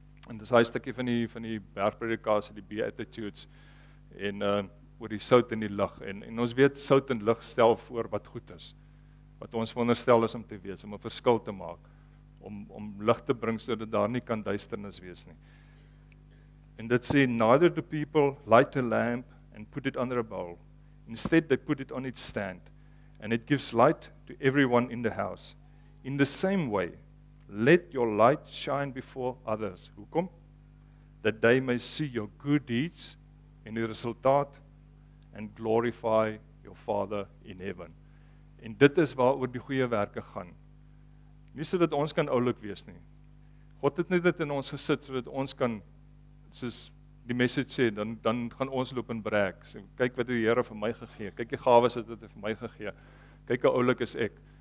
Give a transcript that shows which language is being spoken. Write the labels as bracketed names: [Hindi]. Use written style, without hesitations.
[Afrikaans] En dis hy stukkie van die bergpredikasie, die Beatitudes, en oor die sout en die lig. En ons weet, sout en lig stel voor wat goed is. Wat ons veronderstel is om te wees, om 'n verskil te maak. Om lig te bring, sodat daar nie kan duisternis wees nie. En dit sê, [English] neither do people light a lamp and put it under a bowl. Instead, they put it on its stand. And it gives light to everyone in the house. In the same way, let your light shine before others. [Afrikaans] Hoekom? [English] That they may see your good deeds and the resultaat and glorify your Father in heaven. [Afrikaans] En dit is waar oor die goeie werke gaan. Nie so dat ons kan oulik wees nie. God het net dit in ons gesit so dat ons kan, soos die message sê, dan gaan ons loop en brak. So, kyk wat die Here vir my gegee. Kyk die gawes wat het vir my gegee. Kyk hoe oulik is ek.